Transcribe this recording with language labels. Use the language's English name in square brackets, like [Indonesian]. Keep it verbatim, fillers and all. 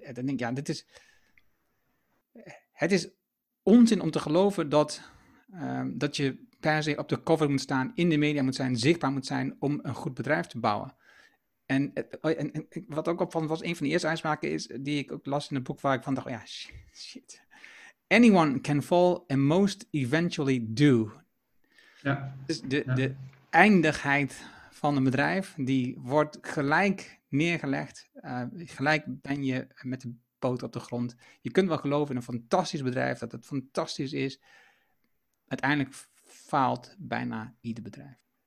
[Dutch] Dan denk ik, ja, dit is, het is onzin om te geloven dat, um, dat je per se op de cover moet staan, in de media moet zijn, zichtbaar moet zijn om een goed bedrijf te bouwen. En, en, en wat ook opvallend was, een van de eerste uitspraken is, die ik ook las in het boek waar ik van dacht, ja, shit, shit. [English] Anyone can fall and most eventually do. [Dutch] Ja. Dus de, ja. de eindigheid van een bedrijf, die wordt gelijk neergelegd. Uh, gelijk ben je met de poot op de grond. Je kunt wel geloven in een fantastisch bedrijf, dat het fantastisch is. Uiteindelijk faalt bijna ieder bedrijf.